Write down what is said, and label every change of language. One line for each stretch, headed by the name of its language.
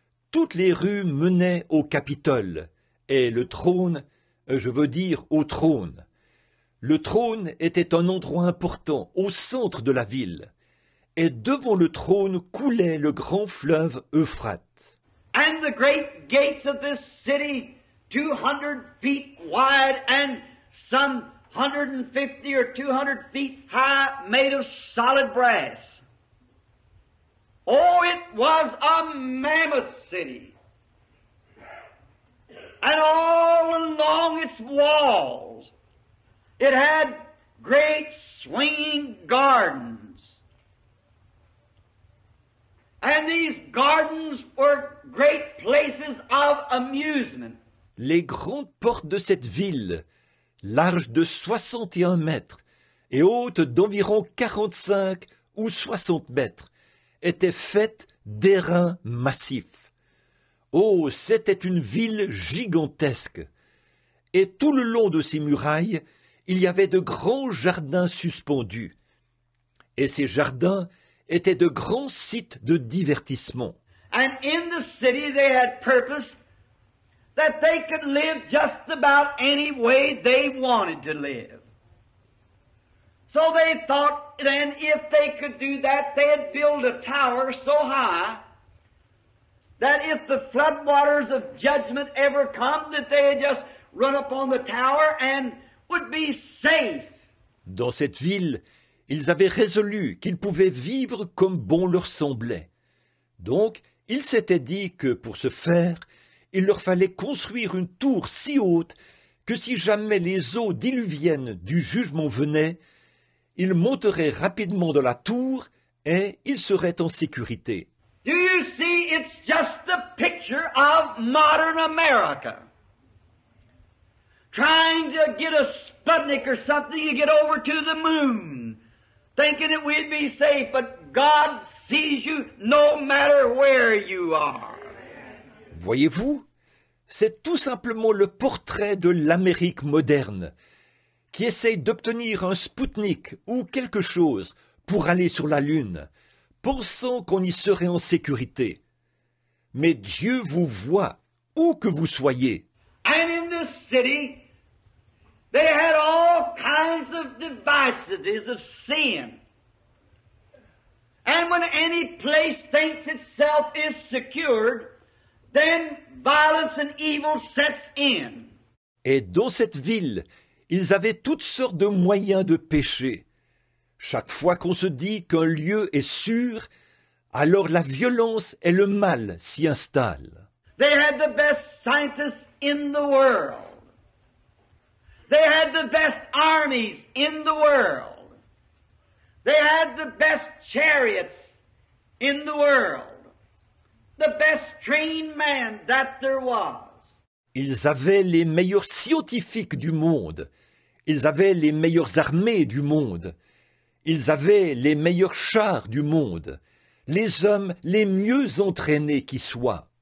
French: Toutes les rues menaient au Capitole, et le trône, je veux dire au trône. Le trône était un endroit important au centre de la ville, et devant le trône coulait le grand fleuve Euphrate.
English: And the great gates of this city, 200 feet wide and some 150 or 200 feet high, made of solid brass. Oh, it was a mammoth city. And all along its walls, it had great swinging gardens. And these gardens were great places of amusement.
French: Les grandes portes de cette ville, larges de 61 mètres et hautes d'environ 45 ou 60 mètres, étaient faites d'airain massif. Oh, c'était une ville gigantesque. Et tout le long de ces murailles, il y avait de grands jardins suspendus. Et ces jardins étaient de grands sites de divertissement.
English: And in the city they had purpose that they could live just about any way they wanted to live. So they thought then if they could do that, they'd build a tower so high that if the floodwaters of judgment ever come, that they'd just run up on the tower and would be safe.
French: Dans cette ville, ils avaient résolu qu'ils pouvaient vivre comme bon leur semblait. Donc, ils s'étaient dit que pour ce faire, il leur fallait construire une tour si haute que si jamais les eaux diluviennes du jugement venaient, ils monteraient rapidement dans la tour et ils seraient en sécurité.
English: Do you see, it's just the picture of modern America. Trying to get a Sputnik or something to get over to the moon, thinking that we'd be safe, but God sees you no matter where you are.
French: Voyez-vous, c'est tout simplement le portrait de l'Amérique moderne qui essaye d'obtenir un Spoutnik ou quelque chose pour aller sur la Lune, pensant qu'on y serait en sécurité. Mais Dieu vous voit où que vous soyez.
English: And in this city, they had all kinds of devices of sin. And when any place thinks itself is secured, then violence and evil sets in.
French: Et dans cette ville, ils avaient toutes sortes de moyens de péché. Chaque fois qu'on se dit qu'un lieu est sûr, alors la violence et le mal s'y installent.
English: They had the best scientists in the world. They had the best armies in the world. They had the best chariots in the world. The best trained man that there was.
French: Ils avaient les meilleurs scientifiques du monde. Ils avaient les meilleures armées du monde. Ils avaient les meilleurs chars du monde. Les hommes les mieux entraînés qui soient.